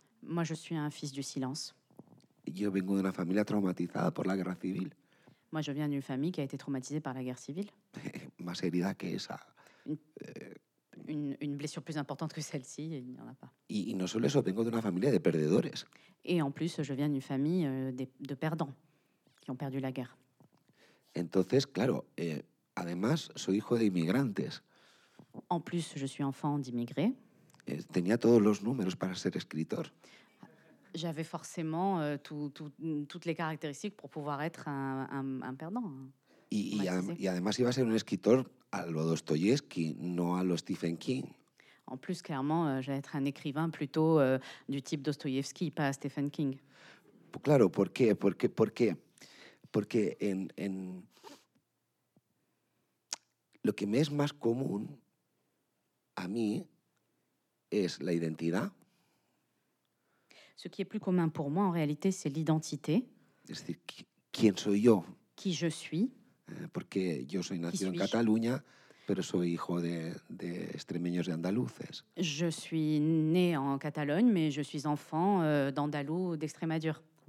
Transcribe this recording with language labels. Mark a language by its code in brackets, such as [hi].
[fr] Moi, je suis un fils du silence. [es] Yo vengo de una familia traumatizada por la guerra civil. [fr] Moi, je viens d'une famille qui a été traumatisée par la guerre civile. [es] Más herida que esa. [fr] Une blessure plus importante que celle-ci, il n'y en a pas. [es] Y no solo eso, vengo de una familia de perdedores. [fr] Et en plus, je viens d'une famille de perdants, qui ont perdu la guerre. [es] Entonces, claro, además, soy hijo de inmigrantes. [fr] En plus, je suis enfant d'immigrés. [es] Tenía todos los números para ser escritor. [fr] J'avais forcément toutes les caractéristiques pour pouvoir être un perdant. Et [es] además iba a ser un escritor a lo Dostoyevsky, no a lo Stephen King. [fr] En plus, clairement, j'allais être un écrivain plutôt du type Dostoyevsky, pas Stephen King. [es] Claro, ¿por qué? Porque en lo que me es más común a mí es la identidad. [fr] Ce qui est plus commun pour moi, en réalité, c'est l'identité. C'est-à-dire, [es] ¿quién soy yo? [fr] Qui je suis. [es] Porque yo soy nacido en Cataluña, pero soy hijo de extremeños y andaluces. [fr] Je suis né en Catalogne, mais je suis enfant d'Andalous, d'Extrémadure.